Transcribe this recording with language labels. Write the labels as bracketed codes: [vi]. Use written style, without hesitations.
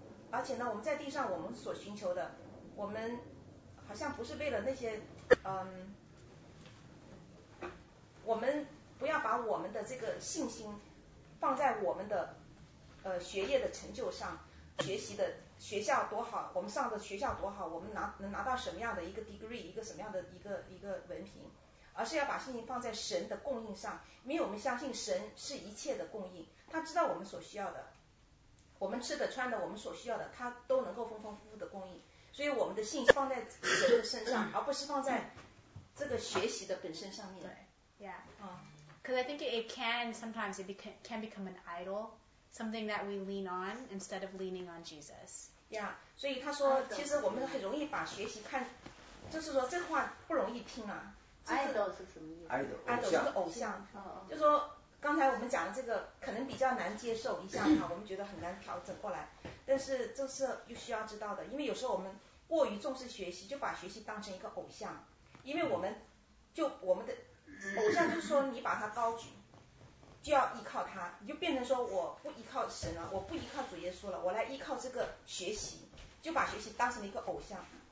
[zh] 而且呢，我们在地上我们所寻求的，我们好像不是为了那些，我们不要把我们的这个信心放在我们的学业的成就上，学习的学校多好，我们上的学校多好，我们能拿到什么样的一个 degree， 一个什么样的一个文凭，而是要把信心放在神的供应上，因为我们相信神是一切的供应，他知道我们所需要的。我们吃的穿的我们所需要的他都能够丰丰富富的供应，所以我们的信心放在神的身上，而不是放在这个学习的本身上面。对 [en] Because I think it can sometimes it can become an idol, something that we lean on instead of leaning on Jesus. [zh] Yeah, 所以他说其实我们很容易把学习看，就是说这话不容易听啊。 Idol 是什么意思？ [en] Idol [zh] 是偶像。就说刚才我们讲的这个可能比较难接受一下哈，我们觉得很难调整过来，但是这是又需要知道的，因为有时候我们过于重视学习，就把学习当成一个偶像，因为我们的偶像就是说你把它高举，就要依靠它，你就变成说我不依靠神了，我不依靠主耶稣了，我来依靠这个学习，就把学习当成一个偶像。